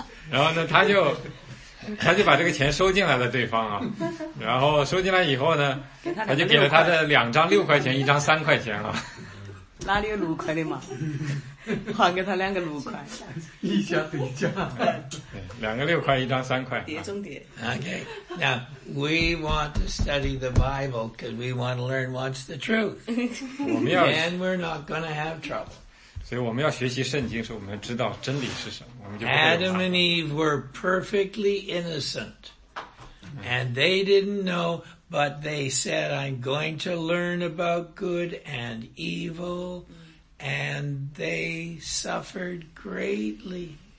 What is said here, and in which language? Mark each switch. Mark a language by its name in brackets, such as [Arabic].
[Chinese] 然后呢他就把这个钱收进来了对方啊。然后收进来以后呢他就给了他的2张6块钱一张3块钱啊。哪里有六块的嘛还给他2个6块。一家对价。 2个6块一张3块。叠中叠。 [English] Okay. Now, we want to study the Bible because we want to learn what's the truth. And we're not going to have trouble. [Chinese] 所以我们要学习圣经是我们知道真理是什么。我们就不会有怕。 [English] Adam and Eve were perfectly innocent. And they didn't know, but they said, I'm going to learn about good and evil. And they suffered greatly.